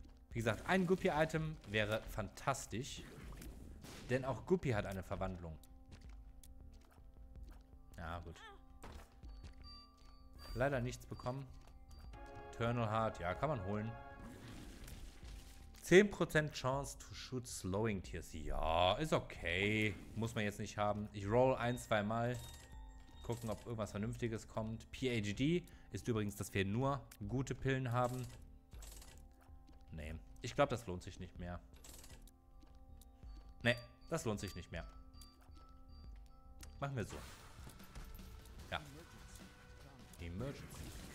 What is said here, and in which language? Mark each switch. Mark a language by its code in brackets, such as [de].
[de] Wie gesagt, ein Guppy-Item wäre fantastisch. Denn auch Guppy hat eine Verwandlung. Ja, gut. Leider nichts bekommen. Eternal Heart, ja, kann man holen. [en] 10% Chance to shoot slowing tears. [de] Ja, ist okay. Muss man jetzt nicht haben. Ich roll ein, zwei Mal. Gucken, ob irgendwas Vernünftiges kommt. PhD ist übrigens, dass wir nur gute Pillen haben. Nee, ich glaube, das lohnt sich nicht mehr. Nee, das lohnt sich nicht mehr. Machen wir so. Ja. Emergency.